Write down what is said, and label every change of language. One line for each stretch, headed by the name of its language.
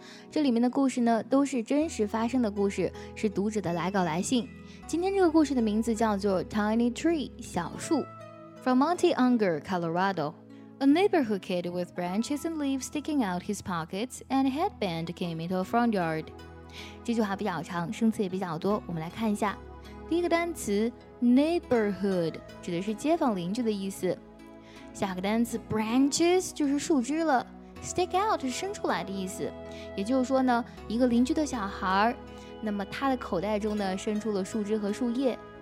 Chinese: 这里面的故事呢，都是真实发生的故事，是读者的来稿来信。今天这个故事的名字叫做
English: Tiny Tree
Chinese: 小树。
English: From Monte Unger, Colorado, a neighborhood kid with branches and leaves sticking out his pockets and a headband came into a front yard.
Chinese: 这句话比较长，生词也比较多，我们来看一下。第一个单词 neighborhood 指的是街坊邻居的意思，下个单词 branches 就是树枝了， stick out 是伸出来的意思，也就是说呢，一个邻居的小孩，那么他的口袋中呢伸出了树枝和树叶。